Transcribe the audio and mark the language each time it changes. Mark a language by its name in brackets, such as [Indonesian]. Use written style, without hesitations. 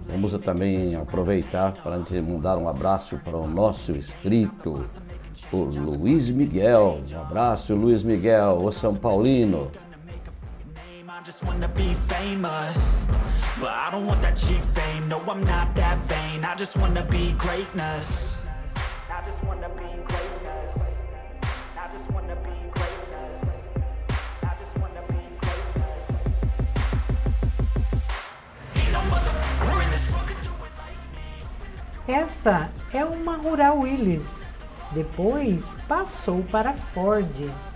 [Portuguese] Vamos também aproveitar para mandar um abraço para o nosso inscrito, o Luiz Miguel. Um abraço, Luiz Miguel, o São Paulino. [English] Just wanna be famous, but I don't want that cheap fame. No, I'm not that vain. I just wanna be greatness. I just wanna be greatness. I just wanna be greatness. I just wanna be greatness. Ain't no mother, we're in this fucking do it like me. Open up your... [Portuguese] Essa é uma Rural Willys. Depois passou para a Ford.